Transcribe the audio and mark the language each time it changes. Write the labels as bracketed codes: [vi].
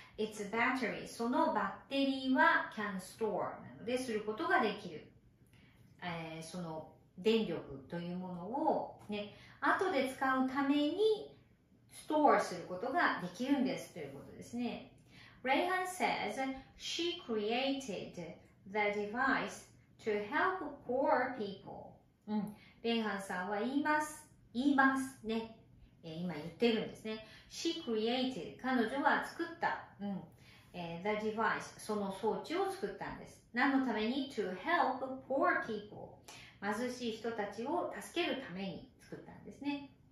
[en] It's a battery. [ja] そのバッテリーは [en] can store [ja] なので、することができる。その電力というものをね、後で使うために store することができるんですということですね。 [en] Reyhan says she created the device to help poor people. [ja] うん、レイハンさんは言いますね、今言ってるんですね。 [en] She created、 [ja] 彼女は作った、うん、 [en] The device、 [ja] その装置を作ったんです。何のために？ [en] To help poor people、 [ja] 貧しい人たちを助けるために作ったんですね。